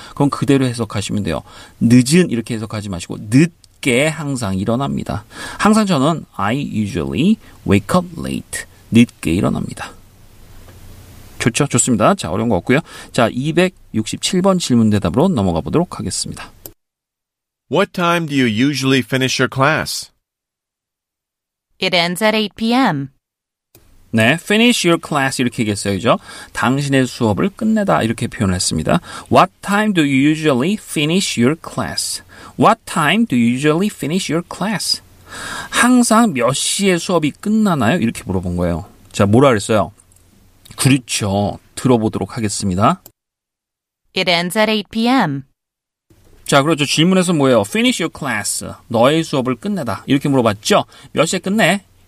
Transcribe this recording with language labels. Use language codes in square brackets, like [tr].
[ko] 그럼 그대로 해석하시면 돼요. 늦은 이렇게 해석하지 마시고 늦게 항상 일어납니다. 항상 저는 [en] I usually wake up late. [ko] 늦게 일어납니다. 좋죠? 좋습니다. 자, 어려운 거 없고요. 자, 267번 질문 대답으로 넘어가 보도록 하겠습니다. [en] What time do you usually finish your class? It ends at 8 p.m. [ko] 네, [en] finish your class [ko] 이렇게 얘기했어요, 그죠? 당신의 수업을 끝내다 이렇게 표현을 했습니다. [en] What time do you usually finish your class? What time do you usually finish your class? [ko] 항상 몇 시에 수업이 끝나나요? 이렇게 물어본 거예요. 자, 뭐라 그랬어요? 그렇죠. 들어보도록 하겠습니다. [en] It ends at 8 p.m. [ko] 자, 그렇죠. 질문에서 뭐예요? [en] Finish your class. [ko] 너의 수업을 끝내다. 이렇게 물어봤죠? 몇 시에 끝내?